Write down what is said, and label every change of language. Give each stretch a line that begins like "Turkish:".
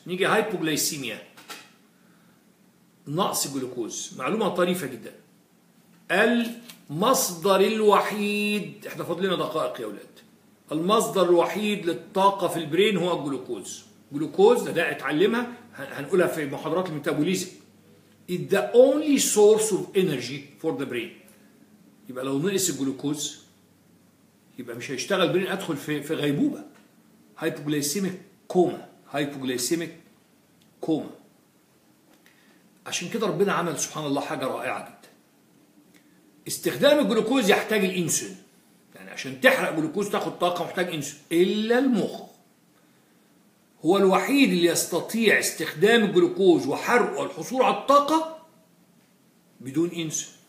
Arabic: نيجي هايبوغليسيميا، نقص جلوكوز. معلومة طريفة جدا، المصدر الوحيد، احنا فاضلنا دقائق يا أولاد، المصدر الوحيد للطاقة في البرين هو الجلوكوز. جلوكوز ده اتعلمها، هنقولها في محاضرات الميتابوليزم.
English: It's the only source of energy for the brain.
Arabic: يبقى لو نقص الجلوكوز يبقى مش هيشتغل برين، ادخل في غيبوبه. هايبوغليسيميك كوما، هايبوغليسيميك كوما. عشان كده ربنا عمل سبحان الله حاجه رائعه جدا. استخدام الجلوكوز يحتاج الانسولين، يعني عشان تحرق جلوكوز تاخد طاقه محتاج انسولين. الا المخ هو الوحيد اللي يستطيع استخدام الجلوكوز وحرقه الحصول على الطاقة بدون إنسان.